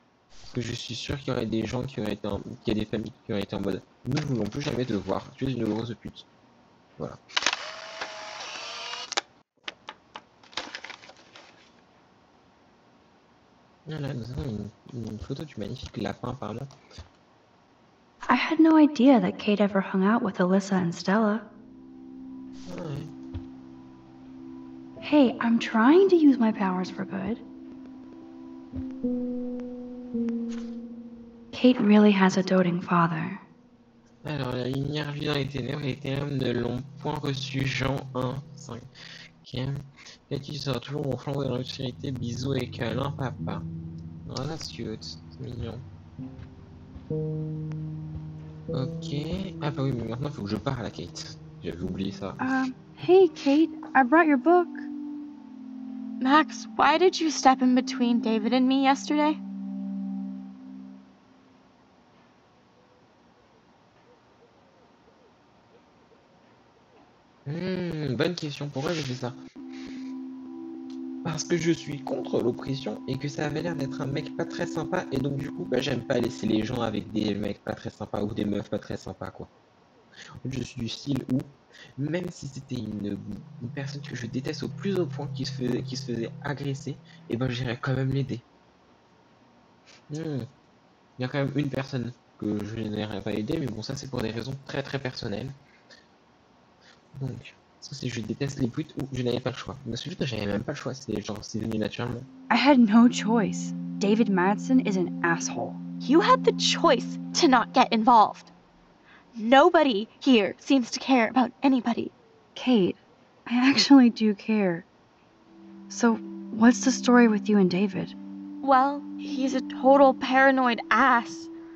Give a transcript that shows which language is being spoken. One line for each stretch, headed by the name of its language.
French: Parce que je suis sûr qu'il y aurait des gens qui auraient été en... qu'il y a des familles qui auraient été en mode « Nous voulons plus jamais te voir, tu es une grosse pute. » Voilà. Voilà, nous avons une photo du magnifique lapin, apparemment.
English: I had no idea that Kate ever hung out with Alyssa and Stella.
French: Ouais.
English: Hey, I'm trying to use my powers for good. Kate really has a doting father.
French: Alors, la lumière vit dans les ténèbres et les ténèbres ne l'ont point reçu, Jean 1, 5. Kate, tu seras toujours mon flambeau dans l'obscurité. Bisous et câlin, papa.
English: Oh, that's cute.
French: C'est mignon. Ok. Ah bah oui, mais maintenant, il faut que je parle à Kate. J'avais oublié ça.
English: Hey, Kate. I brought your book. Max, why did you step in between David and me yesterday?
French: Bonne question. Pourquoi j'ai fait ça? Parce que je suis contre l'oppression et que ça avait l'air d'être un mec pas très sympa et donc du coup bah, j'aime pas laisser les gens avec des mecs pas très sympas ou des meufs pas très sympas quoi. Je suis du style où même si c'était une personne que je déteste au plus haut point qui se faisait agresser, et ben j'irais quand même l'aider. Il y a quand même une personne que je n'irais pas aider, mais bon ça c'est pour des raisons très très personnelles. Donc. Parce que je déteste les putes ou je n'avais pas le choix. Mais c'est juste que j'avais même pas le choix, c'est genre c'est venu naturellement.
English: I had no choice. David Madsen is an asshole. You had the choice to not get involved. Nobody here seems to care about anybody. Kate, I actually do care. So, what's the story with you and David? Well, he's a total paranoid ass.